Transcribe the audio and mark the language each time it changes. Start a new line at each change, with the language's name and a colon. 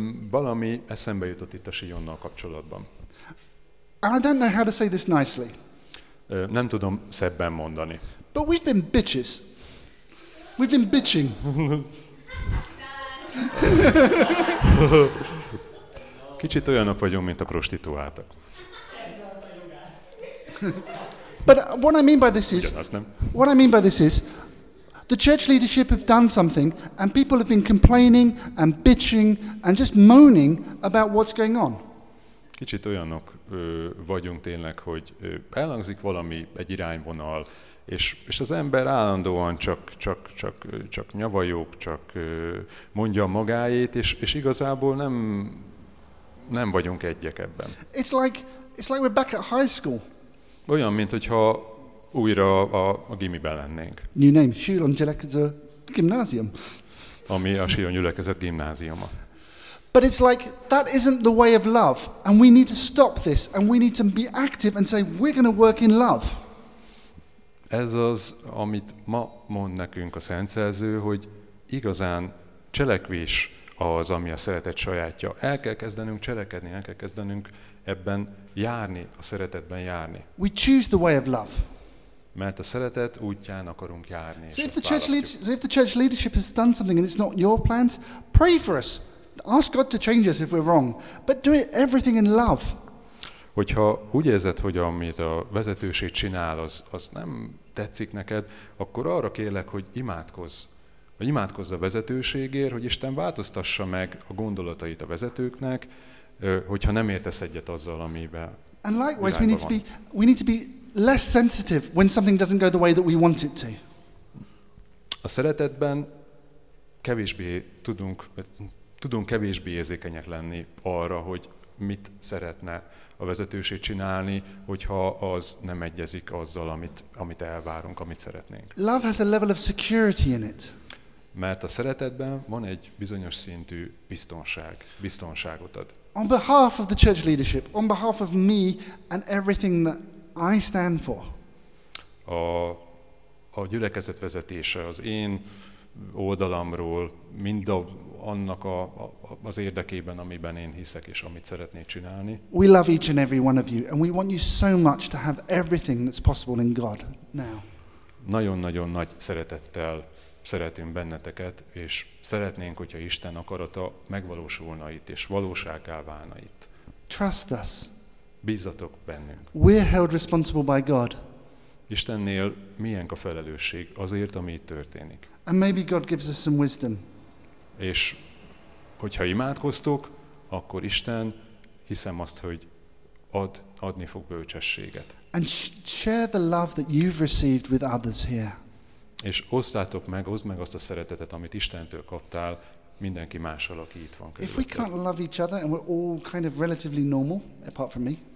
Hungarian: Valami eszembe jutott itt a Sionnal kapcsolatban.
English: And I don't know how to say this nicely.
Hungarian: Nem tudom szebben mondani.
English: But we've been bitches. We've been bitching.
Hungarian: Kicsit olyanok vagyunk, mint a prostituáltak.
English: But what I mean by this is, what I mean by this is, the church leadership have done something, and people have been complaining and bitching and just moaning about what's going on.
Hungarian: Kicsit olyanok vagyunk tényleg, hogy elhangzik valami egy irányvonal. És az ember állandóan csak nyavajog, csak mondja magáét, és igazából nem vagyunk egyek ebben.
English: It's like we're back at high school.
Hungarian: Olyan, mint hogyha újra a gimiben lennénk.
English: New name, Sion Gyülekezet Gimnázium.
Hungarian: Ami a Sion Gyülekezet Gimnáziuma.
English: But it's like that isn't the way of love, and we need to stop this, and we need to be active and say we're going to work in love.
Hungarian: Ez az, amit ma mond nekünk a szentszerző, hogy igazán cselekvés az, ami a szeretet sajátja. El kell kezdenünk cselekedni, el kell kezdenünk ebben járni, a szeretetben járni.
English: We choose the way of love.
Hungarian: Mert a szeretet útján akarunk járni.
English: So if the church leadership, has done something and it's not your plans, pray for us. Ask God to change us if we're wrong, but do everything in love.
Hungarian: Hogyha úgy érzed, hogy amit a vezetőség csinál, az nem tetszik neked, akkor arra kérlek, hogy imádkozz. Hogy imádkozz a vezetőségért, hogy Isten változtassa meg a gondolatait a vezetőknek, hogyha nem értesz egyet azzal, amiben.
English: And likewise, we need to be less sensitive when something doesn't go the way that we want it to.
Hungarian: A szeretetben kevésbé tudunk kevésbé érzékenyek lenni arra, hogy mit szeretne a vezetőség csinálni, hogyha az nem egyezik azzal, amit elvárunk, amit szeretnénk.
English: Love has a level of security in it.
Hungarian: Mert a szeretetben van egy bizonyos szintű biztonság, biztonságot ad.
English: On behalf of the church leadership, on behalf of me and everything that I stand for.
Hungarian: A gyülekezet vezetése az én oldalamról, mind annak az érdekében, amiben én hiszek és amit szeretnék csinálni.
English: We love each and every one of you, and we want you so much to have everything that's possible in God now.
Hungarian: Nagyon-nagyon nagy szeretettel szeretünk benneteket, és szeretnénk, hogyha Isten akarata megvalósulna itt, és valósággá válna itt.
English: Trust us.
Hungarian: Bízzatok bennünk.
English: We're held responsible by God.
Hungarian: Istennél milyen a felelősség azért, ami itt történik.
English: And maybe God gives us some wisdom.
Hungarian: És hogyha imádkoztok, akkor Isten, hiszem azt, hogy adni fog bölcsességet. And share the love that you've received with others here. És osztátok meg, oszd meg azt a szeretetet, amit Istentől kaptál, mindenki mással, aki itt van körülötted.
English: If we can't love each other and we're all kind of relatively normal, apart from me.